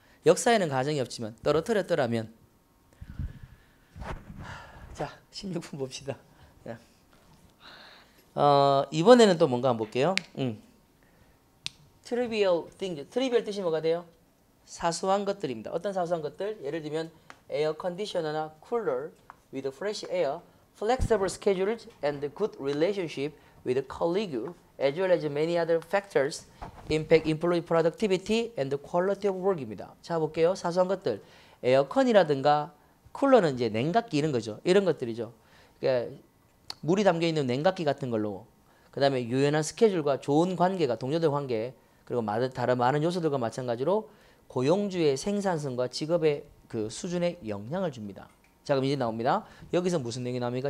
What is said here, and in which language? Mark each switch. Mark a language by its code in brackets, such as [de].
[ko] 역사에는 가정이 없지만 떨어뜨렸더라면 자 16분 봅시다. 이번에는 또 뭔가 한번 볼게요. 트리비얼 thing. 트리비얼 뜻이 뭐가 돼요? 사소한 것들입니다. 어떤 사소한 것들? 예를 들면 에어 컨디셔너나 쿨러 [en] with fresh air, flexible schedules and good relationship with colleagues as well as many other factors impact employee productivity and quality of work입니다. [ko] 자, 볼게요. 사소한 것들. 에어컨이라든가 쿨러는 이제 냉각기 이런 거죠. 이런 것들이죠. 그러니까 물이 담겨 있는 냉각기 같은 걸로 그다음에 유연한 스케줄과 좋은 관계가 동료들 관계 그리고 다른 많은 요소들과 마찬가지로 고용주의 생산성과 직업의 그 수준에 영향을 줍니다. 자 그럼 이제 나옵니다. 여기서 무슨 내용이 나옵니까?